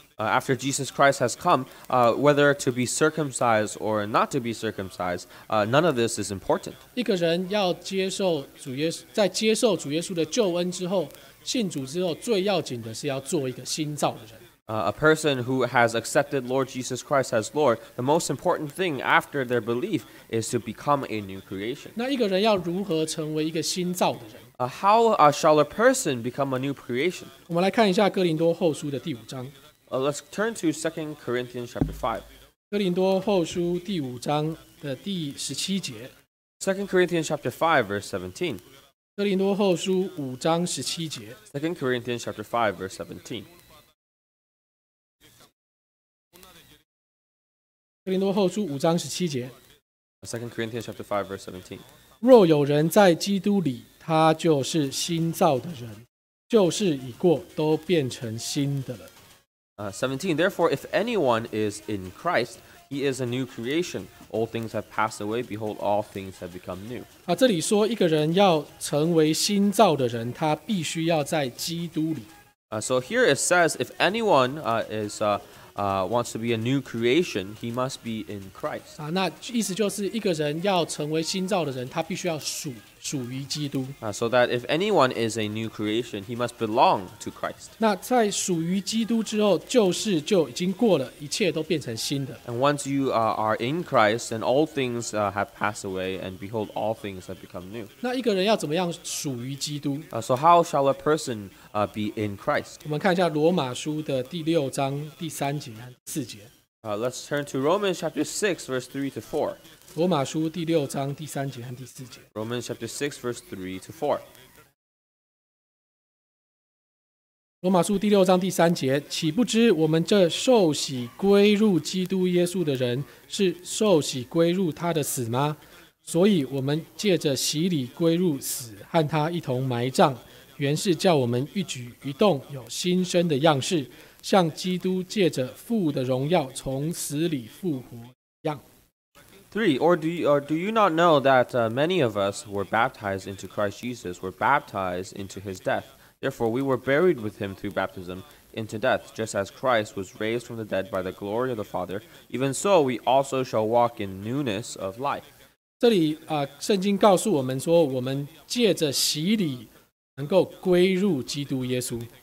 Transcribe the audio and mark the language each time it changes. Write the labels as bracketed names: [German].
[English] After Jesus Christ has come, whether to be circumcised or not to be circumcised, none of this is important. [Chinese] 一个人要接受主耶稣，在接受主耶稣的救恩之后，信主之后，最要紧的是要做一个新造的人。 [English] A person who has accepted Lord Jesus Christ as Lord, the most important thing after their belief is to become a new creation. [Chinese] 那一个人要如何成为一个新造的人？ [English] How shall a person become a new creation? [Chinese] 我们来看一下哥林多后书的第五章。 [English] Let's turn to 2 Corinthians chapter 5. [Chinese] 哥林多后书第五章的第十七节。 [English] 2 Corinthians chapter 5, verse 17. [Chinese] 哥林多后书五章十七节。 [English] 2 Corinthians chapter 5, verse 17. [Chinese] 哥林多后书五章十七节。 [English] 2 Corinthians chapter 5, verse 17. [Chinese] 若有人在基督里，他就是新造的人，旧事已过，都变成新的了。 [English] 17, therefore, if anyone is in Christ, he is a new creation. All things have passed away. Behold, all things have become new. [Chinese] 这里说一个人要成为新造的人，他必须要在基督里。 [English] So here it says, if anyone wants to be a new creation, he must be in Christ. [Chinese] 那意思就是一个人要成为新造的人，他必须要属于基督。 [English] So that if anyone is a new creation, he must belong to Christ. [Chinese] 那在属于基督之后，旧事就已经过了，一切都变成新的。 [English] And once you are in Christ, and all things have passed away, and behold, all things have become new. [Chinese] 那一个人要怎么样属于基督？ [English] So how shall a person be in Christ? [Chinese] 我们看一下罗马书的第六章第三节和四节。 [English] Let's turn to Romans chapter 6, verse 3 to 4. [Chinese] 罗马书第六章第三节和第四节。 [English] Romans chapter 6, verse 3 to 4. [Chinese] 罗马书第六章第三节，岂不知我们这受洗归入基督耶稣的人，是受洗归入他的死吗？所以我们借着洗礼归入死，和他一同埋葬，原是叫我们一举一动有新生的样式，像基督借着父的荣耀从死里复活一样。 [English] 3. Or do you not know that many of us were baptized into Christ Jesus, were baptized into his death? Therefore, we were buried with him through baptism into death, just as Christ was raised from the dead by the glory of the Father. Even so, we also shall walk in newness of life. [Chinese] 这里圣经告诉我们说，我们借着洗礼能够归入基督耶稣。